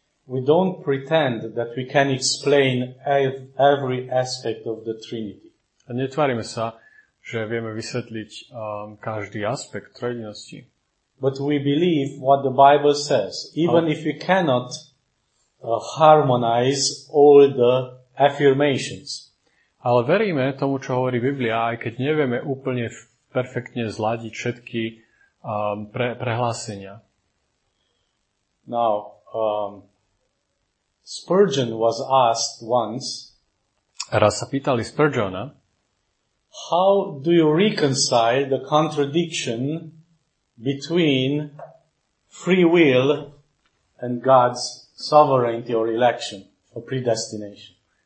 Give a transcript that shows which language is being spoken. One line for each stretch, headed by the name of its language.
English: We don't pretend that we can explain every aspect of the Trinity.
Slovak: A netvárime sa, že vieme vysvetliť každý aspekt trojedinosti.
English: But we believe what the Bible says, even if we cannot harmonize all the affirmations.
Slovak: Ale veríme tomu, čo hovorí Biblia, aj keď nevieme úplne perfektne zladiť všetky prehlásenia.
English: Now, Spurgeon was asked once,
Slovak: raz sa pýtali Spurgeona,
English: how do you reconcile the contradiction between free will and God's sovereignty or election or predestination?